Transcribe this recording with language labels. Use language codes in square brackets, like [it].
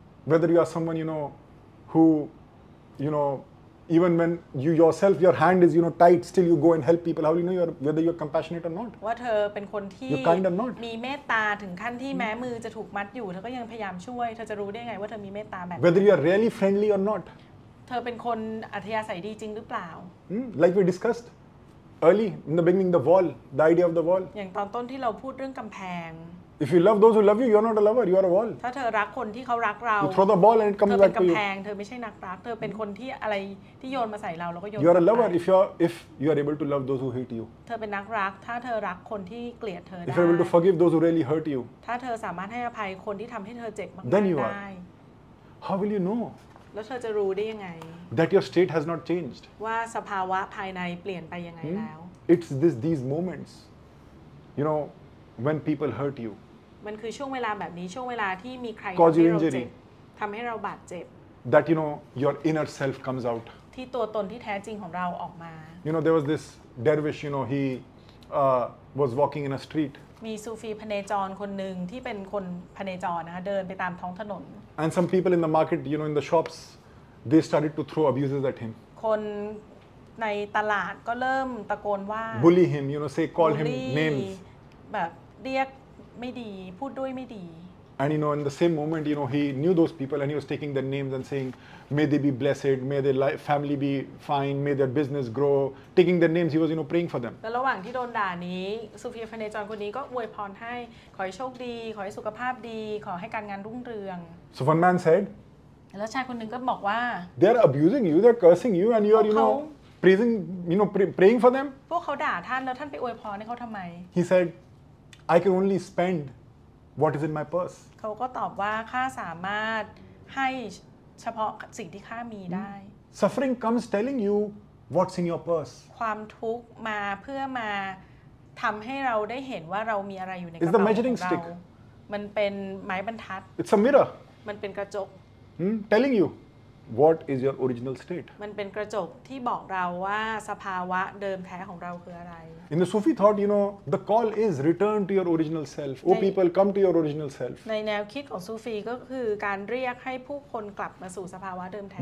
[en] Whether you are someone you know who you know even when you yourself your hand is you know tight still you go and help people. How do you know whether you are compassionate or not? [th] ว่าเธอเป็นคนที่ [en] You're kind or not? [th] มีเมตตาถึงขั้นที่แม้มือจะถูกมัดอยู่เธอก็ยังพยายามช่วยเธอจะรู้ได้ไงว่าเธอมีเมตตาแบบ [en] Whether you are really friendly or not? [th] เธอเป็นคนอัธยาศัยดีจริงหรือเปล่า [en] Like we discussed early in the beginning the wall the idea of the wall. [th] อย่างตอนต้นที่เราพูดเรื่องกำแพง [en] If you love those who love you, you're not a lover. You are a wall. [th] ถ้าเธอรักคนที่เขารักเรา [en] You throw the ball and it comes back to you. [th] เธอเป็นกำแพงเธอไม่ใช่นักรักเธอเป็นคนที่อะไรที่โยนมาใส่เราแล้วก็โยน [en] You are a lover if you are able to love those who hate you. [th] เธอเป็นนักรักถ้าเธอรักคนที่เกลียดเธอได้ [en] If you're able to forgive those who really hurt you. [th] ถ้าเธอสามารถให้อภัยคนที่ทำให้เธอเจ็บมากได้ [en] Then you are. How will you know? [th] แล้วเธอจะรู้ได้ยังไง [en] That your state has not changed. [th] ว่าสภาวะภายในเปลี่ยนไปยังไงแล้ว [en] It's these moments, you know. When people hurt you, [th] มันคือช่วงเวลาแบบนี้ช่วงเวลาที่มีใคร ทำให้เราเจ็บ ทำให้เราบาดเจ็บ [en] That you know your inner self comes out [th] ที่ตัวตนที่แท้จริงของเราออกมา [en] You know there was this dervish you know he was walking in a street [th] มีซูฟีพเนจรคนหนึ่งที่เป็นคนพเนจรนะคะเดินไปตามท้องถนน [en] And some people in the market you know in the shops they started to throw abuses at him [th] คนในตลาดก็เริ่มตะโกนว่า [en] bully him you know say call him names [th] แบบเรียกไม่ดีพูดด้วยไม่ดี [en] And you know in the same moment you know he knew those people and he was taking their names and saying may they be blessed may their life, family be fine may their business grow taking their names he was you know praying for them [th] แล้วระหว่างที่โดนด่านี้ซูฟีพเนจรคนนี้ก็อวยพรให้ขอให้โชคดีขอให้สุขภาพดีขอให้การงานรุ่งเรือง [en] So one man said [th] แล้วชายคนนึงก็บอกว่า [en] They are abusing you they are cursing you and you are you know praising you know praying for them [th] พวกเขาด่าท่านแล้วท่านไปอวยพรให้เขาทำไม [en] He saidI can only spend what is in my purse. [th] เขาก็ตอบว่าข้าสามารถให้เฉพาะสิ่งที่ข้ามีได้ [en] Suffering comes telling you what's in your purse. [th] ความทุกข์มาเพื่อมาทำให้เราได้เห็นว่าเรามีอะไรอยู่ในกระเป๋าของเรา [en] It's the measuring stick. [th] มันเป็นไม้บรรทัด [en] It's a mirror. [th] มันเป็นกระจก [en] Telling you what is your original state. [th] มันเป็นกระจกที่บอกเราว่าสภาวะเดิมแท้ของเราคืออะไร [en] In the Sufi thought, you know, the call is return to your original self. Oh, people, come to your original self. [th] ในแนวคิดของซูฟีก็คือการเรียกให้ผู้คนกลับมาสู่สภาวะเดิมแท้